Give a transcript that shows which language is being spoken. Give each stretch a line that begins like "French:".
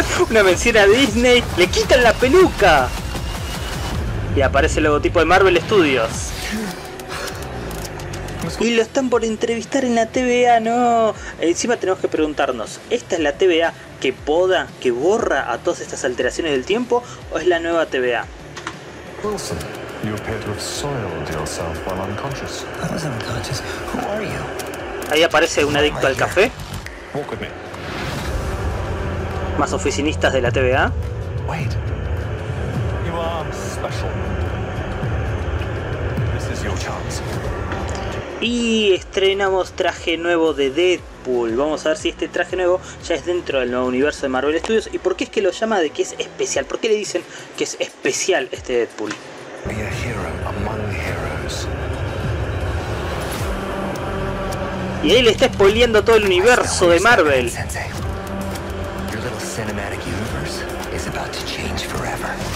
Spanish: Una mención a Disney. ¡Le quitan la peluca! Y aparece el logotipo de Marvel Studios. Y lo están por entrevistar en la TVA, no. Encima tenemos que preguntarnos, ¿esta es la TVA que poda, que borra a todas estas alteraciones del tiempo, o es la nueva TVA?
English: Wilson, you appear to have soiled yourself while unconscious. I was unconscious. Who are you?
Spanish: Ahí aparece un adicto al café.
English: Walk with me.
Spanish: Más oficinistas de la TVA.
English: Wait. You are special. This is your chance.
Spanish: Y estrenamos traje nuevo de Deadpool. Vamos a ver si este traje nuevo ya es dentro del nuevo universo de Marvel Studios. ¿Y por qué es que lo llama de que es especial? ¿Por qué le dicen que es especial este Deadpool?
English: Be a hero among heroes.
Spanish: Y ahí le está spoileando todo el universo de Marvel.
English: Your little cinematic universe is about to change forever.